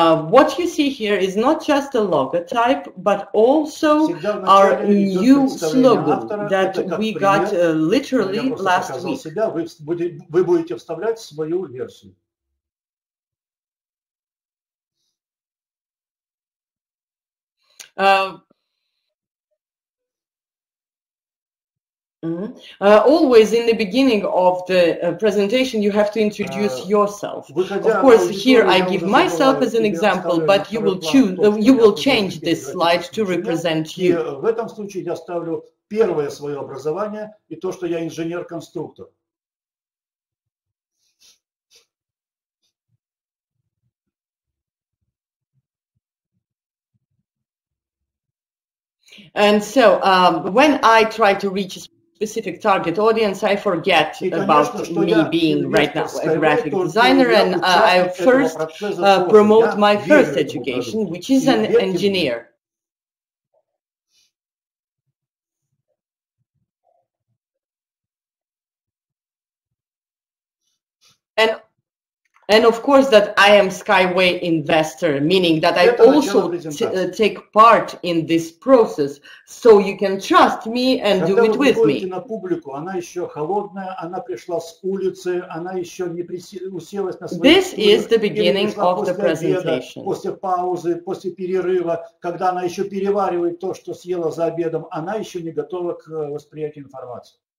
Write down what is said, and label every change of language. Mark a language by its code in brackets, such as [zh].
[en] What you see here is not just a logotype, but also our new slogan that we got literally last week. [ru] Вы будете вставлять свою версию. [en] Always in the beginning of the presentation, you have to introduce yourself. Of course, here I give myself as an example, but you will choose, you will change this slide to represent you. [ru] В этом случае я ставлю первое свое образование и то, что я инженер-конструктор. [en] And so, when I try to reach specific target audience, I forget about me being right now a graphic designer, and I first promote my first education, which is an engineer. And of course that I am Skyway investor, meaning that I also take part in this process, so you can trust me and do it with me. [ru] На публику, она еще холодная, она пришла с улицы, она еще не уселась на свои. [en] This is the beginning of the presentation. [ru] После паузы, после перерыва, когда она еще переваривает то, что съела за обедом, она еще не готова к восприятию информации.